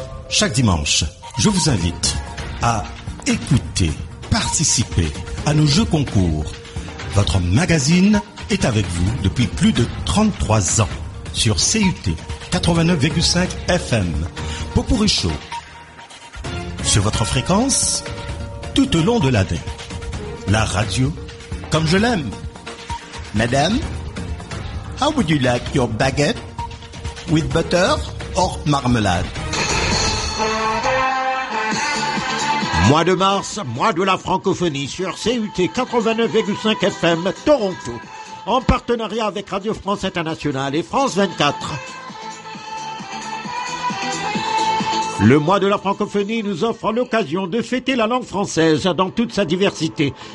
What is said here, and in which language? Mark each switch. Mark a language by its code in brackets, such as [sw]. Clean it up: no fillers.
[fr] Chaque dimanche, je vous invite à écouter, participer à nos jeux concours. Votre magazine est avec vous depuis plus de 33 ans sur CUT 89,5 FM. Potpourri Show, sur votre fréquence, tout au long de l'année. La radio, comme je l'aime. [en] Madame, how would you like your baguette with butter or marmalade? [fr] Mois de mars, mois de la francophonie sur CUT 89,5 FM Toronto, en partenariat avec Radio France Internationale et France 24. Le mois de la francophonie nous offre l'occasion de fêter la langue française dans toute sa diversité.